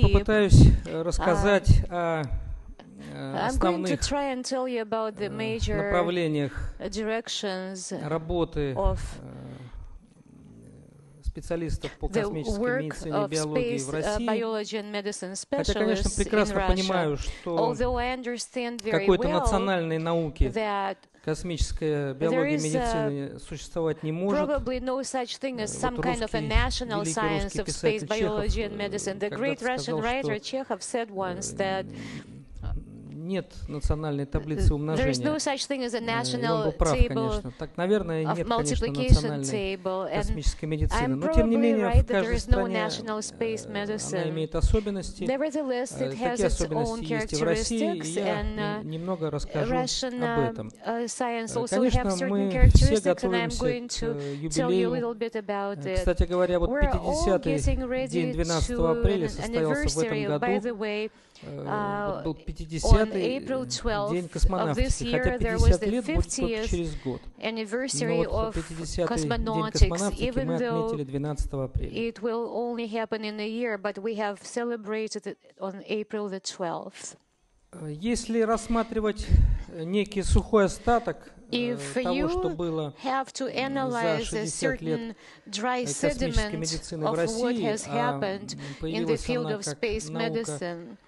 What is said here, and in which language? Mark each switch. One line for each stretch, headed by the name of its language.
Russian: Я попытаюсь рассказать о основных направлениях работы специалистов по космической медицине и биологии в России. Хотя, конечно, прекрасно понимаю, что какой-то национальной науки космическая биология медицины существовать не может.
English: Probably no such thing as some kind of a national science of space biology and medicine. The great Russian writer Chekhov said once that
Russian: нет национальной таблицы умножения.
English: There is no such thing as a national table.
Russian: Так, наверное, нет, конечно, национальной космической медицины. Но тем не менее, в каждой стране она имеет особенности. Такие особенности есть и в России, и я немного расскажу об этом. Конечно, мы все готовимся к юбилею. Кстати говоря, вот 50-й день 12 апреля состоялся в этом году. Был 50-й день космонавтики, хотя 50 лет будет только через год. Но вот 50-й день космонавтики мы отметили 12 апреля.
English: It will only happen in a year, but we have celebrated it on April the 12th.
Russian: Если рассматривать некий сухой остаток того, что было за 60 лет космической медицины в России, а появилась она как наука